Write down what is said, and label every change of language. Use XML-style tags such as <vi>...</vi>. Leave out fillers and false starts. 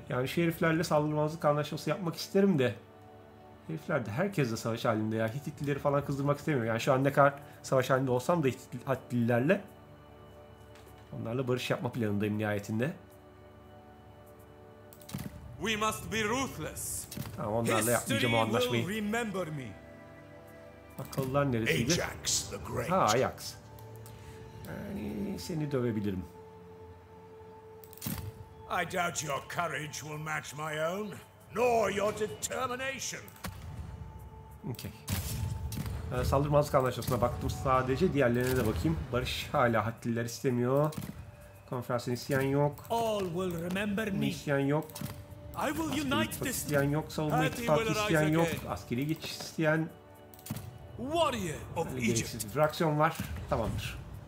<tr>Yani şu heriflerle saldırmazlık anlaşması yapmak isterim de. Herifler de herkesle savaş halinde ya. Hititlileri falan kızdırmak istemiyorum. Yani şu an ne kadar savaş halinde olsam da Hititlilerle. Onlarla barış yapma planındayım nihayetinde.</tr> <en>We must be ruthless.</en> <tr>Tamam, onlarla yapmayacağım o anlaşmayı.</tr> <en>History will remember me.</en> <tr>Akıllılar neresiydi? Ajax the Great. Ha, Ajax. Yani seni dövebilirim.</tr> <en>I doubt your courage will match my own, nor your determination. Okay.</en> <tr>Saldırmazlık anlaşmasına baktım sadece, diğerlerine de bakayım. Barış hala Hattililer istemiyor. Konferansın isyan yok.</tr> <en>All will remember me.</en> <tr>İsyan yok.</tr> <en>I will unite this.</en> <tr>İsyan yok. Savunma ittifakı isyan yok. Askeri geçiş isteyen. Warrior of Egypt. Fraksiyon var. Tamamdır.</tr>